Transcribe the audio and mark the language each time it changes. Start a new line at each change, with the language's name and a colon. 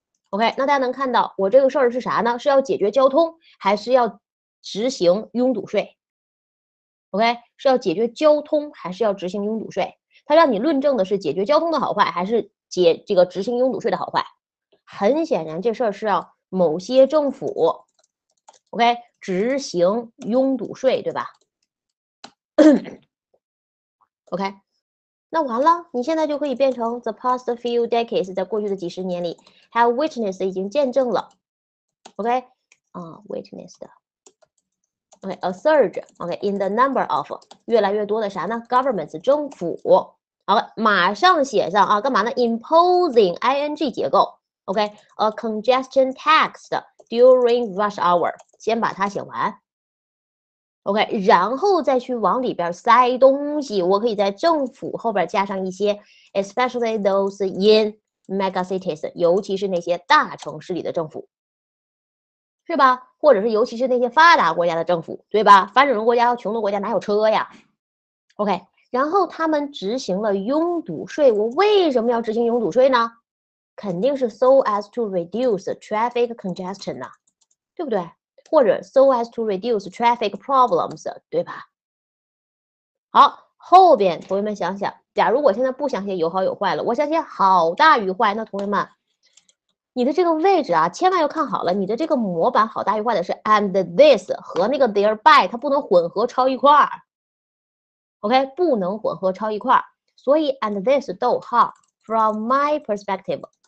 Chinese: OK， 那大家能看到我这个事儿是啥呢？是要解决交通，还是要执行拥堵税 ？OK， 是要解决交通，还是要执行拥堵税？他让你论证的是解决交通的好坏，还是解这个执行拥堵税的好坏？很显然，这事儿是要某些政府 ，OK。执行拥堵税，对吧？OK， 那完了，你现在就可以变成
English: the past few decades，
Chinese: 在过去的几十年里 ，
English: have witnessed
Chinese: 已经见证了 ，OK， 啊、witnessed， OK，
English: a surge，
Chinese: OK，
English: in the number of
Chinese: 越来越多的啥呢 ？governments 政府，好，马上写上啊，干嘛呢 ？
English: imposing ing
Chinese: 结构 ，OK，
English: a congestion tax during rush hour。
Chinese: 先把它写完 ，OK， 然后再去往里边塞东西。我可以在政府后边加上一些 ，
English: especially those in mega cities，
Chinese: 尤其是那些大城市里的政府，是吧？或者是尤其是那些发达国家的政府，对吧？发展中国家和穷的国家哪有车呀 ？OK， 然后他们执行了拥堵税。我为什么要执行拥堵税呢？肯定是
English: so as to reduce traffic congestion 呐、啊，对不对？或者 so as to reduce traffic problems，
Chinese: 对吧？好，后边同学们想想，假如我现在不想写有好有坏了，我想写好大于坏，那同学们，你的这个位置啊，千万要看好了，你的这个模板好大于坏的是
English: and this
Chinese: 和那个 thereby， 它不能混合抄一块儿 ，OK， 不能混合抄一块儿，所以 and this 逗号
English: from my perspective。